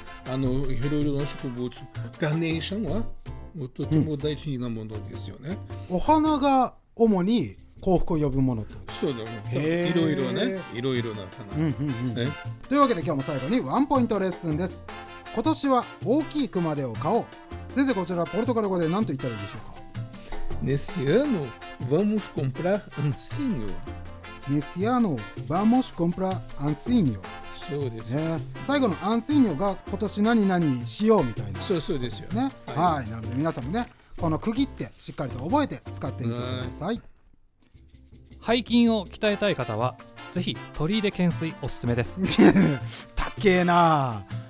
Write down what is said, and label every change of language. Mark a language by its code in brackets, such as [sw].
[ja] あのいろいろな植物、ガネーションはとても大事なものですよね、お花が主に幸福を呼ぶものと。そうだね、いろいろね、いろいろな花、というわけで今日も最後にワンポイントレッスンです。今年は大きい熊手を買おう。先生こちらポルトガル語で何と言ったらいいでしょうか。 [pt] Nesse ano, vamos comprar ancinho. Nesse ano, vamos comprar ancinho. [ja] そうです、最後のancinhoが今年何々しようみたいな、ね。そうそうですよ。はい、なので皆さんもね、この区切ってしっかりと覚えて使ってみてください。背筋を鍛えたい方は、ぜひ鳥居で懸垂おすすめです。高えな。